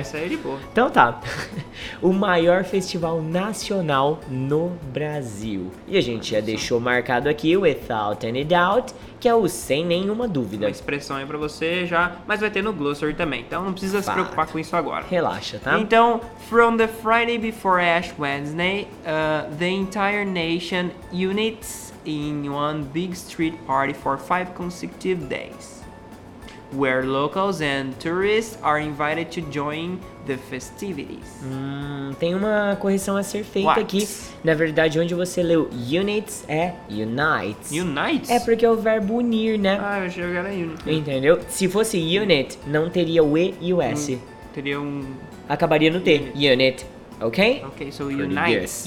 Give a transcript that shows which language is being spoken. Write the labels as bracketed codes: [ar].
[pt] Essa aí é de boa. Então tá. O maior festival nacional no Brasil. E a gente já deixou marcado aqui, [en] without any doubt, [pt] que é o sem nenhuma dúvida. Uma expressão aí pra você já, mas vai ter no glossary também. Então não precisa se preocupar com isso agora. Relaxa, tá? [en] Então, from the Friday before Ash Wednesday, the entire nation units in one big street party for 5 consecutive days, where locals and tourists are invited to join the festivities. [pt] Tem uma correção a ser feita [en] what? [pt] Aqui. Na verdade, onde você leu units é unites. Unites? É porque é o verbo unir, né? Ah, eu achei que era unit. Entendeu? Se fosse unit, não teria o E e o S. Teria um... Acabaria no T. Unit. Okay? [en] Okay, so unites.